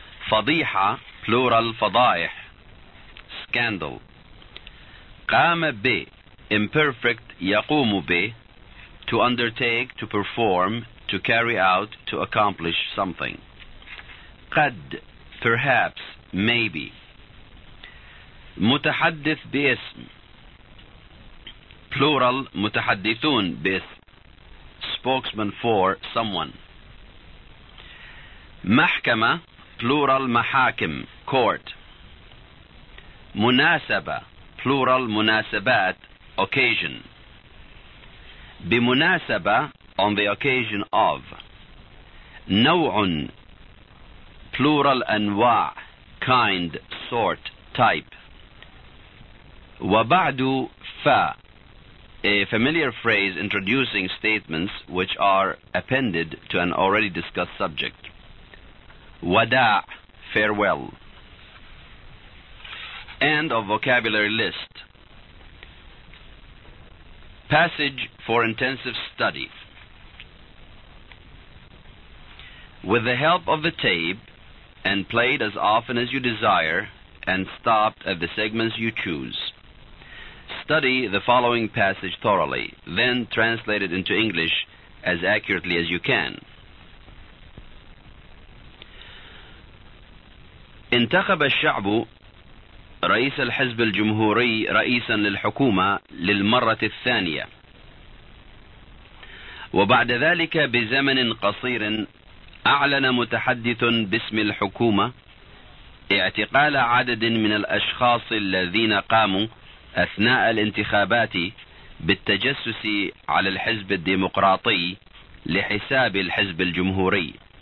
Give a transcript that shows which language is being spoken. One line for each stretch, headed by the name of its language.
English: فضيحة plural فضائح scandal قام ب imperfect يقوم ب to undertake to perform to carry out to accomplish something قد Perhaps, maybe.
Arabic: متحدث باسم.
English: Plural, متحدثون باسم. Spokesman for someone. محكمة, plural, محاكم, court. مناسبة, plural, مناسبات, occasion. بمناسبة, on the occasion of.
Arabic: نوع.
English: Plural أنواع kind, sort, type وبعد ف a familiar phrase introducing statements which are appended to an already discussed subject وداع farewell end of vocabulary list passage for intensive study with the help of the tape and played as often as you desire and stopped at the segments you choose. Study the following passage thoroughly, then translate it into English as accurately as you can.
Arabic: انتخب الشعب رئيس الحزب الجمهوري رئيسا للحكومة للمرة الثانية وبعد ذلك بزمن قصير أعلن متحدث باسم الحكومة اعتقال عدد من الأشخاص الذين قاموا أثناء الانتخابات بالتجسس على الحزب الديمقراطي لحساب الحزب الجمهوري